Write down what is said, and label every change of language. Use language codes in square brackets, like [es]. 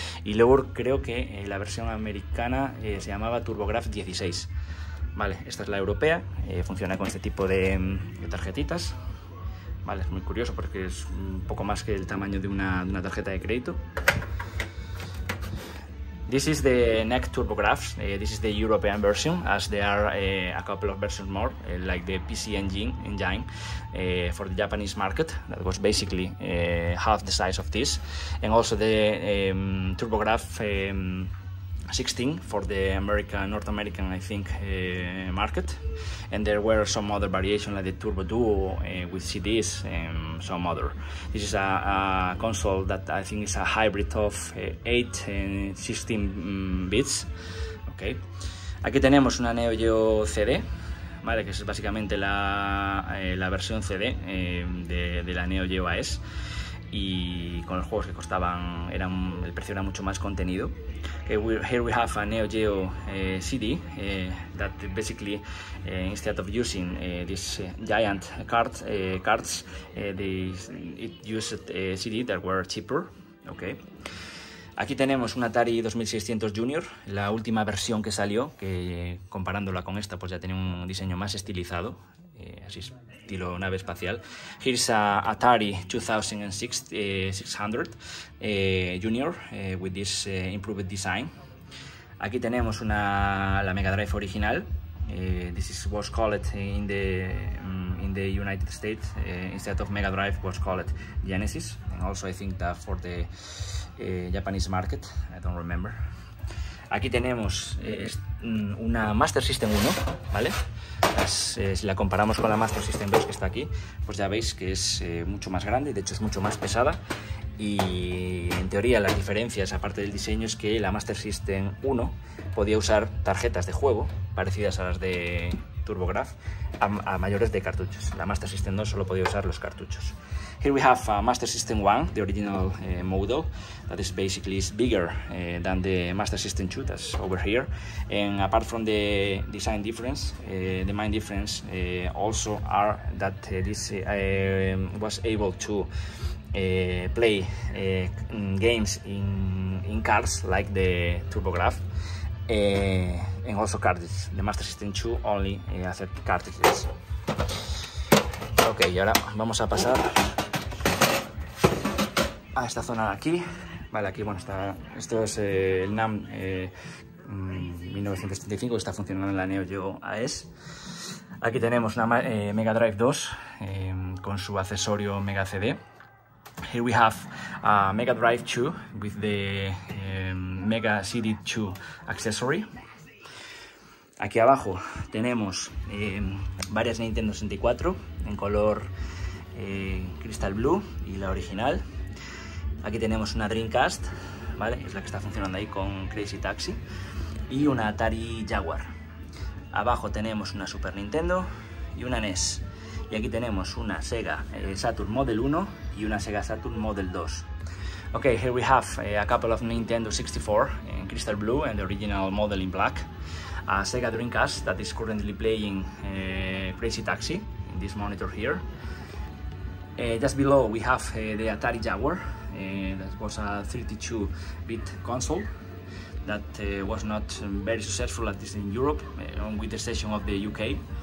[es] Y luego creo que la versión americana se llamaba TurboGraf 16. Vale, esta es la europea, funciona con este tipo de tarjetitas. Vale, es muy curioso porque es un poco más que el tamaño de una tarjeta de crédito. [en] This is the NEC Turbographs. This is the European version, as there are a couple of versions more, like the PC engine for the Japanese market, that was basically half the size of this, and also the Turbograph 16 for the North American, I think, market. And there were some other variations, like the Turbo Duo with CDs and some other. This is a console that I think is a hybrid of 8 and 16 bits. [es] Okay. Aquí tenemos una Neo Geo CD, ¿vale? Que es básicamente la versión CD de la Neo Geo AES, y con los juegos que costaban, el precio era mucho más contenido. [en] Okay, here we have a Neo Geo CD that basically, instead of using these giant cards, it used a CD that were cheaper. Okay. [es] Aquí tenemos un Atari 2600 Junior, la última versión que salió, que comparándola con esta, pues ya tenía un diseño más estilizado, así es. Estilo nave espacial. [en] Here's a Atari 2600 Junior with this improved design. [es] Aquí tenemos la Mega Drive original. [en] This is what's called in the United States, instead of Mega Drive was called Genesis, and also I think that for the Japanese market, I don't remember. [es] Aquí tenemos una Master System 1, ¿vale? Si la comparamos con la Master System 2, que está aquí, pues ya veis que es mucho más grande, de hecho es mucho más pesada. Y en teoría las diferencias, aparte del diseño, es que la Master System 1 podía usar tarjetas de juego parecidas a las de TurboGraf a mayores de cartuchos. La Master System 2 solo podía usar los cartuchos. [en] Here we have a Master System 1, the original model, that is basically is bigger than the Master System 2, that's over here. And apart from the design difference, the main difference also are that this was able to play games in cars, like the TurboGraf, and also cartridges. The Master System 2 only accept cartridges. [es] Okay, y ahora vamos a pasar a esta zona de aquí. Vale, aquí, bueno, esto es el NAM 1975, que está funcionando en la Neo Geo AES. Aquí tenemos una Mega Drive 2 con su accesorio Mega CD. [en] Here we have a Mega Drive 2 with the Mega CD 2 accessory. [es] Aquí abajo tenemos varias Nintendo 64 en color Crystal Blue y la original. Aquí tenemos una Dreamcast, ¿vale? Es la que está funcionando ahí con Crazy Taxi, y una Atari Jaguar. Abajo tenemos una Super Nintendo y una NES. Y aquí tenemos una Sega Saturn Model 1 y una Sega Saturn Model 2. [en] Ok, here we have a couple of Nintendo 64 in Crystal Blue and the original model in black. A Sega Dreamcast that is currently playing Crazy Taxi in this monitor here. Just below we have the Atari Jaguar. That was a 32-bit console that was not very successful, at least in Europe, with the exception of the UK.